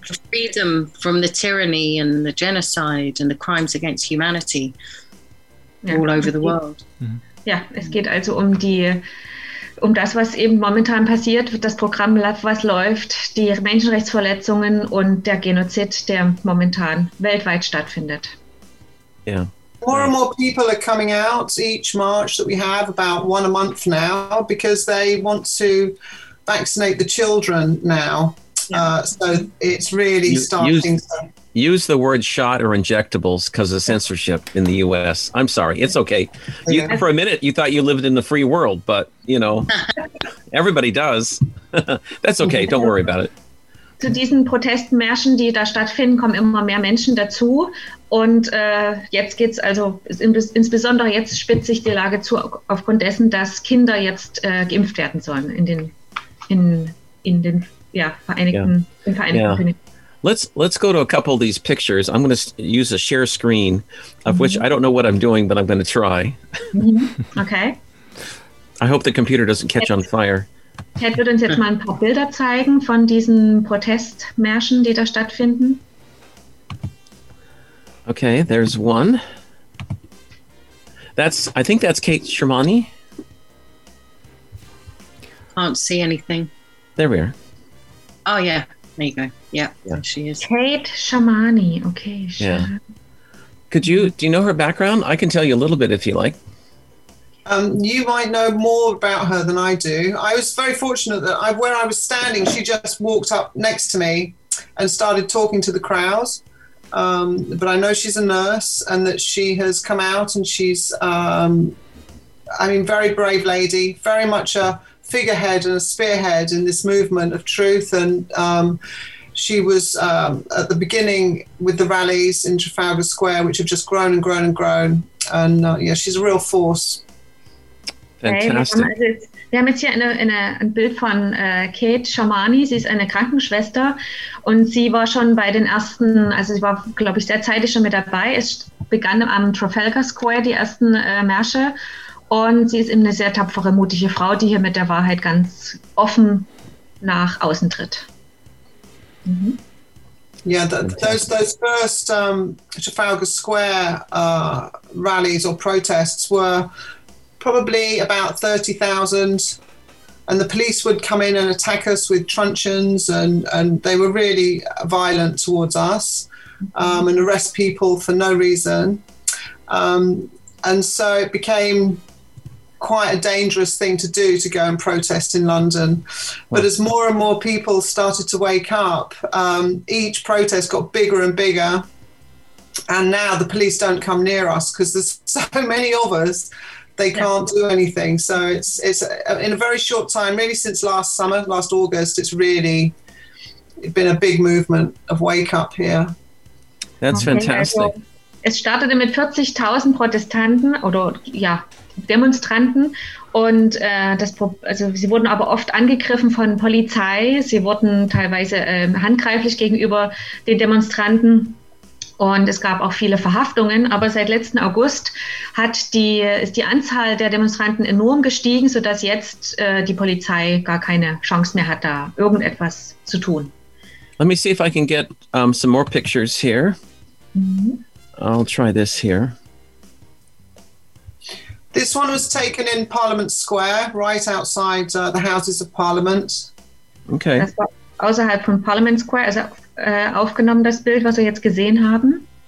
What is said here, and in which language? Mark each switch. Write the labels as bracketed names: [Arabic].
[English] Freedom from the tyranny and the genocide and the crimes against humanity, yeah. All over the world. Mm-hmm. [German] Yeah, es geht also das, was eben momentan passiert, das Programm, was läuft, die Menschenrechtsverletzungen und der Genozid, der momentan weltweit stattfindet. Yeah. [English] More and more people are coming out each march that we have, about one a month now, because they want to vaccinate the children now. So it's really starting. Use the word shot or injectables because of censorship in the U.S. I'm sorry. It's okay. You, for a minute, you thought you lived in the free world, but, you know, everybody does. That's okay. Don't worry about it. [German] Zu diesen Protestmärschen, die da stattfinden, kommen immer mehr Menschen dazu. Und jetzt geht's also, insbesondere jetzt spitzt sich die Lage zu, aufgrund dessen, dass Kinder jetzt geimpft werden sollen in den Vereinigten Königreich. [English] Let's go to a couple of these pictures. I'm going to use a share screen, of which I don't know what I'm doing, but I'm going to try. Okay. I hope the computer doesn't catch on fire. [German] Ted wird uns jetzt mal ein paar Bilder zeigen von diesen Protestmärschen, die da stattfinden. [English] Okay, there's one. I think that's Kate Schermani. Can't see anything. There we are. Oh, yeah. There you go. Yeah, she is. Kate Schermani. Okay. Sure. Yeah. Do you know her background? I can tell you a little bit if you like. You might know more about her than I do. I was very fortunate that where I was standing, she just walked up next to me and started talking to the crowds. But I know she's a nurse and that she has come out and she's, very brave lady, very much a figurehead and a spearhead in this movement of truth. And she was at the beginning with the rallies in Trafalgar Square, which have just grown and grown and grown. And she's a real force. Fantastic. [German] Wir haben jetzt hier ein Bild von Kate Schermani. Sie ist eine Krankenschwester und sie war schon bei den ersten, also sie war, glaube ich, derzeitig schon mit dabei. Es begann am Trafalgar Square die ersten Märsche und sie ist eben eine sehr tapfere, mutige Frau, die hier mit der Wahrheit ganz offen nach außen tritt. Mm-hmm. [English] Yeah, those first Trafalgar Square rallies or protests were probably about 30,000, and the police would come in and attack us with truncheons, and they were really violent towards us, and arrest people for no reason, and so it became quite a dangerous thing to do, to go and protest in London. But as more and more people started to wake up, each protest got bigger and bigger. And now the police don't come near us because there's so many of us, they can't do anything. So it's in a very short time, really since last summer, last August, it's really been a big movement of wake up here. That's fantastic. [German] Es startete mit 40.000 Protestanten Demonstranten und sie wurden aber oft angegriffen von Polizei. Sie wurden teilweise handgreiflich gegenüber den Demonstranten und es gab auch viele Verhaftungen. Aber seit letzten August ist die Anzahl der Demonstranten enorm gestiegen, sodass jetzt die Polizei gar keine Chance mehr hat, da irgendetwas zu tun. [English] Let me see if I can get some more pictures here. Mm-hmm. I'll try this here. This one was taken in Parliament Square, right outside the Houses of Parliament. Okay. [German] Das war außerhalb von Parliament Square, also aufgenommen, das Bild, was wir jetzt gesehen haben.